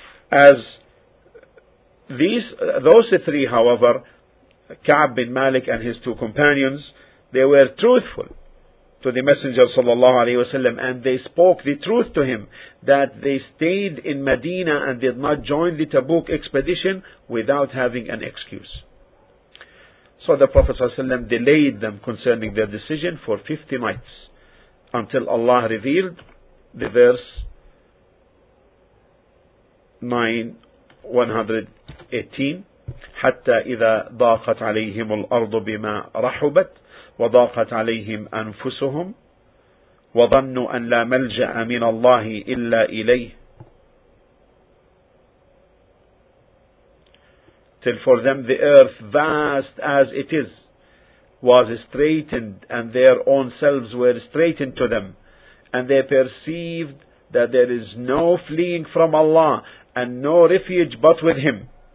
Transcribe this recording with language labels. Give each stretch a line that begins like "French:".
English: As those three, however, Ka'b bin Malik and his two companions, they were truthful to the Messenger sallallahu alaihi wasallam, and they spoke the truth to him that they stayed in Medina and did not join the Tabuk expedition without having an excuse. So the Prophet sallallahu alaihi wasallam delayed them concerning their decision for 50 nights until Allah revealed the verse 9:118.
Arabic: حتى إذا ضاقت عليهم الأرض بما رحبت وضاقت عليهم أنفسهم وظنوا أن لا ملجأ من الله إلا إليه
English: till for them the earth, vast as it is, was straightened, and their own selves were straightened to them, and they perceived that there is no fleeing from Allah and no refuge but with Him.